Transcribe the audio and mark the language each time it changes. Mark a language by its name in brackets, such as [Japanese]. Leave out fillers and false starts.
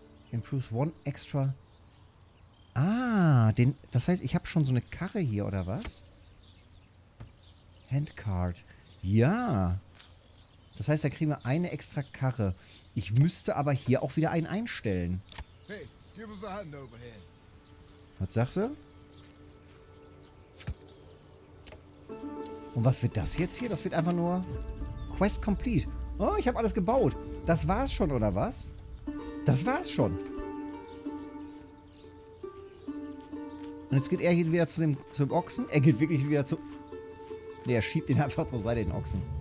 [English] Improves one extra. [German] Ah, das heißt, ich habe schon so eine Karre hier, oder was? Handcart. Ja. Das heißt, da kriegen wir eine extra Karre. Ich müsste aber hier auch wieder einen einstellen. [English] Hey, give us a hand over here. [German] Was sagst du? Und was wird das jetzt hier? Das wird einfach nur Quest complete. Oh, ich habe alles gebaut. Das war's schon, oder was? Das war's schon. Und jetzt geht er hier wieder zum Ochsen. Er geht wirklich wieder zu... Ne, er schiebt den einfach zur Seite, den Ochsen.